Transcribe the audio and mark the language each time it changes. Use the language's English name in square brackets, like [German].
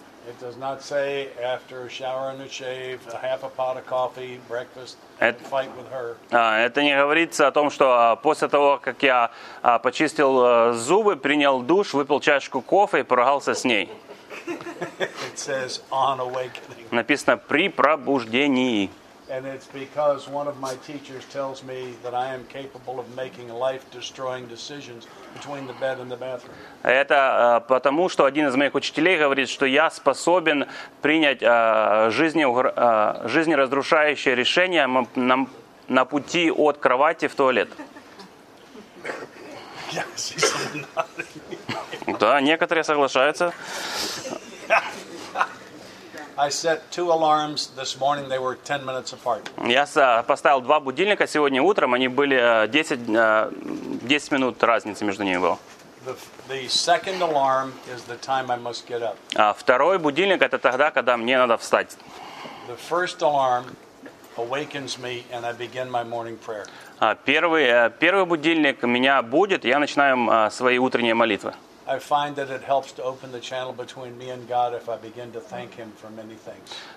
[English] It does not say after a shower and a shave, a half a pot of coffee, breakfast, and fight with her. [Russian] Это не говорится о том, что после того, как я почистил зубы, принял душ, выпил чашку кофе и поругался с ней. [English] It says on awakening. [Russian] Написано при пробуждении. [English] And it's because one of my teachers tells me that I am capable of making life-destroying decisions. Between the bed and the bathroom. [Russian] Это потому, что один из моих учителей говорит, что я способен принять жизнеразрушающее решение на пути от кровати в туалет. [English] Yes, he's not. [Russian] Да, некоторые соглашаются. [English] I set two alarms this morning. They were 10 minutes apart. [Russian] Я поставил два будильника сегодня утром. Они были 10 минут разницы между ними было. [English] The second alarm is the time I must get up. [Russian] Второй будильник это тогда, когда мне надо встать. [English] The first alarm awakens me and I begin my morning prayer. [Russian] Первый будильник меня будет, я начинаю свои утренние молитвы. [English] I find that it helps to open the channel between me and God if I begin to thank Him for many things.